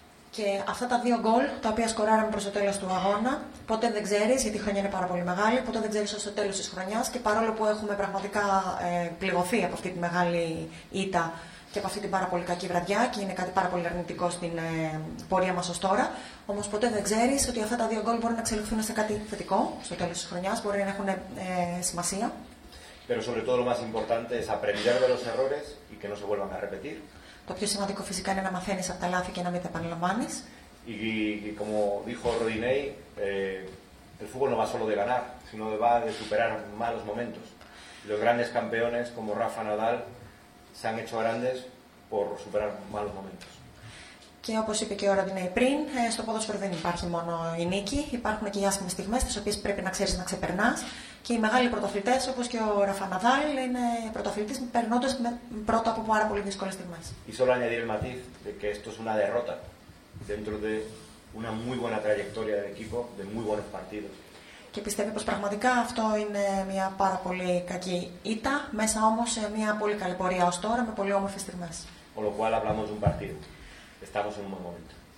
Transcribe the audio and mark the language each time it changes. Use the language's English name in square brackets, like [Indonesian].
[Greek] Και αυτά τα δύο γκολ, τα οποία σκοράραμε προς το τέλος του αγώνα, ποτέ δεν ξέρεις, γιατί η χρονιά είναι πάρα πολύ μεγάλη, ποτέ δεν ξέρεις ως το τέλος της χρονιάς και παρόλο που έχουμε πραγματικά πληγωθεί από αυτή τη μεγάλη ήττα και από αυτή την πάρα πολύ κακή βραδιά και είναι κάτι πάρα πολύ αρνητικό στην πορεία μας ως τώρα, όμως ποτέ δεν ξέρεις ότι αυτά τα δύο γκολ μπορεί να εξελιχθούν σε κάτι θετικό στο τέλος της χρονιάς, μπορεί να έχουν σημασία. [Spanish] Pero sobre todo lo más importante es aprender de los errores y que no se vuelvan a repetir. [Greek] Το πιο σημαντικό φυσικά είναι να μαθαίνεις από τα λάθη και να μην τα επαναλαμβάνεις. Και [Spanish] como dijo Rodinei, el fútbol no va solo de ganar, sino va de superar malos momentos. Los grandes campeones como Rafa Nadal se han hecho grandes por superar malos momentos. [Greek] Και όπως είπε και ο Rodinei πριν, στο ποδόσφαιρο δεν υπάρχει μόνο η νίκη, υπάρχουν και οι άσχημες στιγμές τις οποίες πρέπει να ξέρεις να ξεπερνάς. Και οι μεγάλοι πρωταθλητές, όπως και ο Ραφα Ναδάλ, είναι πρωταθλητές περνώντας πρώτα από πάρα πολύ δύσκολες στιγμές. [Spanish] Y solo añadir el matiz de que esto es una derrota dentro de una muy buena trayectoria del equipo, de muy buenos partidos. [Greek] Και πιστεύει πως πραγματικά αυτό είναι μια πάρα πολύ κακή ήττα, μέσα όμως σε μια πολύ καλή πορεία ως τώρα, με πολύ όμορφες στιγμές. [Spanish] Con lo cual hablamos de un partido. Estamos en un buen momento.